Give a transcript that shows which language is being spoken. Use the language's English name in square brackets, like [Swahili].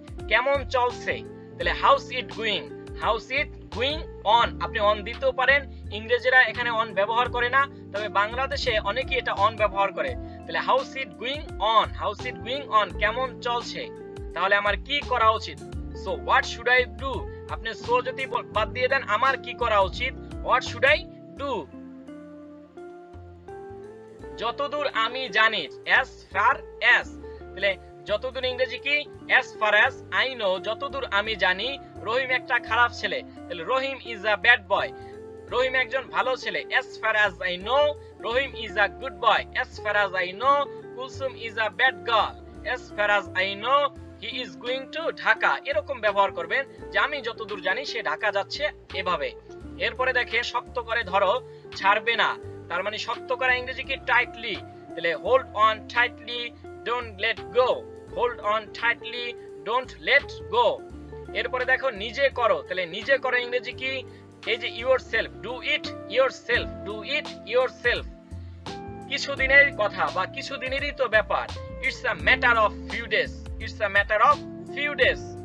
[Bangla] কেমন চলছে, তাহলে house it going, [English] how's it going on, [Bangla] আপনি অন দিতেও পারেন, ইংরেজিরা এখানে অন ব্যবহার করে না, তবে বাংলাদেশে অনেকেই এটা অন ব্যবহার করে, তাহলে house it going on, house it going on, কেমন চলছে, তাহলে আমার কি করা উচিত, [English] so what should I do, [Bangla] আপনি সো যদি বাদ দিয়ে দেন, আমার কি করা উচিত, হোয়াট শুড আই ডু। যতদূর আমি জানি, as far as, তাহলে যতদূর ইংরেজি কি [English] as far as I know, [Bangla] যতদূর আমি জানি, রহিম একটা খারাপ ছেলে, তাহলে রহিম [English] is a bad boy, [Bangla] রহিম একজন ভালো ছেলে, as far as I know, Rahim [English] is a good boy, [Bangla] as far as I know, [English] Kulsum is a bad girl, [Bangla] as far as I know, [English] he is going to Dhaka, [Bangla] এরকম ব্যবহার করবেন, যে আমি যতদূর জানি সে ঢাকা যাচ্ছে, এভাবে। এরপরে দেখে, শক্ত করে ধরো, ছাড়বে না, তার মানে শক্ত করা ইংরেজি কি টাইটলি, তাহলে [English] hold on tightly, don't let go, [Bangla] hold on tightly, don't let go. এরপরে দেখো, নিজে করো, তাহলে নিজে করো ইংরেজি কি, এই যে your self, [English] do it yourself, [Bangla] do eat your self, কিছুদিনের কথা বা কিছুদিনেরই তো ব্যাপার, [English] it's a matter of few days, [Bangla] it's a matter of few days.